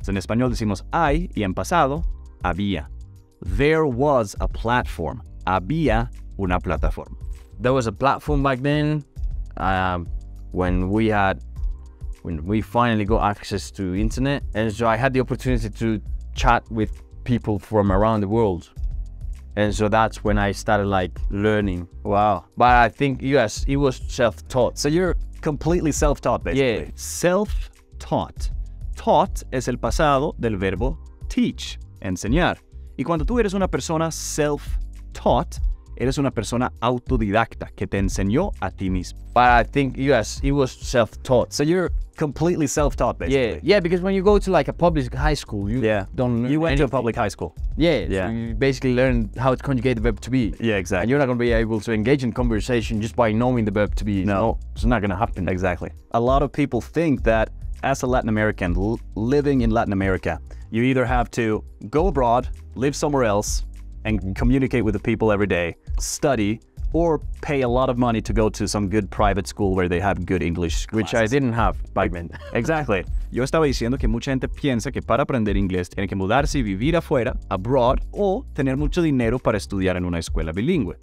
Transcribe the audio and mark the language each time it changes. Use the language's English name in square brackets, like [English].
[Spanish] So en español decimos hay y en pasado había. [English] There was a platform. [Spanish] Había una plataforma. [English] There was a platform back then when we finally got access to internet. And so I had the opportunity to chat with people from around the world. And so that's when I started like learning. Wow. But I think, yes, it was self-taught. So you're completely self-taught, basically. Yeah. Self-taught. [Spanish] Taught es el pasado del verbo teach, enseñar. Y cuando tú eres una persona self-taught, eres una persona autodidacta que te enseñó a ti mismo. [English] But I think, yes, it was self-taught. So you're completely self-taught, basically. Yeah, yeah, because when you go to like a public high school, you don't learn You went anything. To a public high school. Yeah, yeah. So you basically learn how to conjugate the verb to be. Yeah, exactly. And you're not going to be able to engage in conversation just by knowing the verb to be. No. It's not going to happen. Exactly. A lot of people think that as a Latin American, living in Latin America, you either have to go abroad, live somewhere else, and communicate with the people every day, study, or pay a lot of money to go to some good private school where they have good English classes. Which I didn't have back then. Exactly. [Spanish] Yo estaba diciendo que mucha gente piensa que para aprender inglés tiene que mudarse y vivir afuera, abroad, o tener mucho dinero para estudiar en una escuela bilingüe.